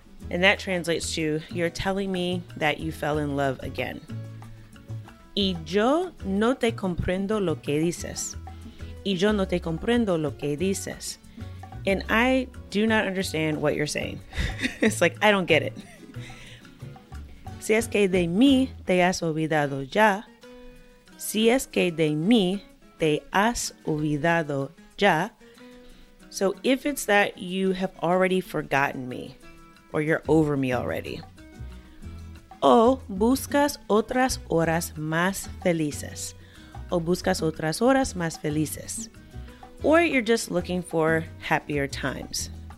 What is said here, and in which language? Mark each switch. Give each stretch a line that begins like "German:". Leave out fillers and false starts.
English: And that translates to, you're telling me that you fell in love again.
Spanish: Y yo no te comprendo lo que dices. Y yo no te comprendo lo que dices.
English: And I do not understand what you're saying. It's like, I don't get it.
Spanish: Si es que de mí te has olvidado ya. Si es que de mí te has olvidado ya.
English: So if it's that you have already forgotten me, or you're over me already.
Spanish: O buscas otras horas más felices. O buscas otras horas más felices.
English: Or you're just looking for happier times.